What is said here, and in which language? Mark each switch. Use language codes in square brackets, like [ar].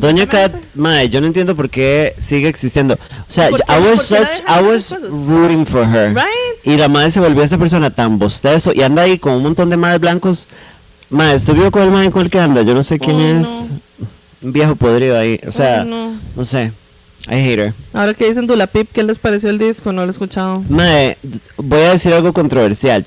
[es] Doña Kat, mae, yo no entiendo por qué sigue existiendo. O sea, [en] I was rooting for her. Right. [es] Y la madre se volvió esa persona tan bostezo y anda ahí con un montón de madres blancos. Mae, ¿estuvo con el mae en cuál que anda? Yo no sé quién es. No. Un viejo podrido ahí. O sea, no sé. [en] I hate her. [es] Ahora que dicen Dua Lipa, ¿qué les pareció el disco? No lo he escuchado. Mae, voy a decir algo controversial.